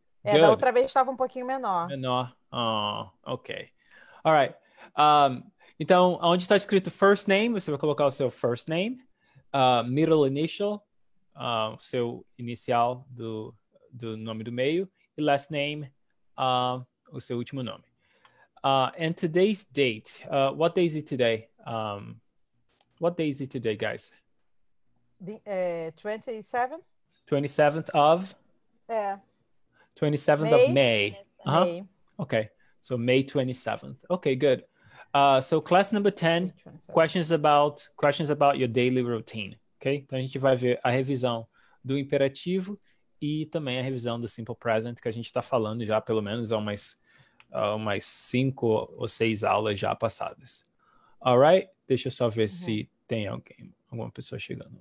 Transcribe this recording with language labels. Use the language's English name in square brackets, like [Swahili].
[Portuguese] É, good. Da outra vez estava um pouquinho menor. [English] Menor. Oh, ok. All right. [Portuguese] Então, onde está escrito first name, você vai colocar o seu first name. Middle initial, o seu inicial do nome do meio. E last name, o seu último nome. [English] And today's date, what day is it today? What day is it today, guys? The 27th? 27th of? Yeah. 27th May. Of May. Uh-huh. May. Okay, so May 27th. Okay, good. So class number 10, questions about your daily routine. [Portuguese] Okay, então a gente vai ver a revisão do imperativo e também a revisão do simple present, que a gente está falando já pelo menos há umas 5 ou 6 aulas já passadas. [English] All right? [Portuguese] Deixa eu só ver se tem alguém, alguma pessoa chegando.